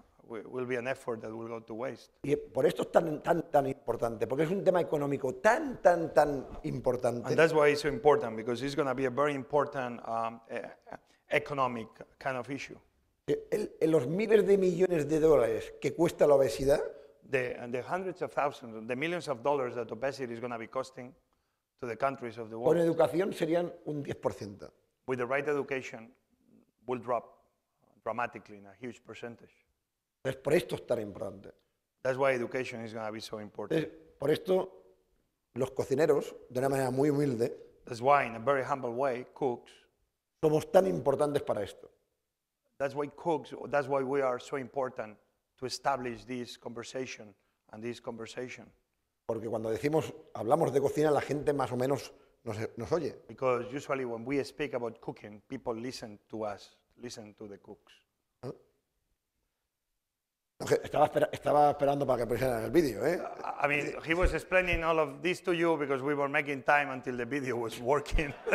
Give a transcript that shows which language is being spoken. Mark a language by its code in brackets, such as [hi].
[en] Will be an effort that will go to waste. [es] Y por esto es tan importante, porque es un tema económico tan importante. [en] And that's why it's so important, because it's going to be a very important economic kind of issue. [es] En los miles de millones de dólares que cuesta la obesidad. [en] The hundreds of thousands, the millions of dollars that obesity is going to be costing to the countries of the world. [es] Con educación serían un 10%. [en] With the right education, will drop dramatically in a huge percentage. [es] Es por esto es tan importante. [en] That's why education is going to be so important. [es] Es por esto, los cocineros, de una manera muy humilde, [en] that's why, in a very humble way, cooks, [es] somos tan importantes para esto. [en] That's why cooks, that's why we are so important to establish this conversation and this conversation. [es] Porque cuando decimos, hablamos de cocina, la gente más o menos nos oye. [en] Because usually when we speak about cooking, people listen to us, listen to the cooks. [es] Estaba esperando para que presentaran el vídeo, ¿eh? [en] I mean, he was explaining all of this to you because we were making time until the video was working.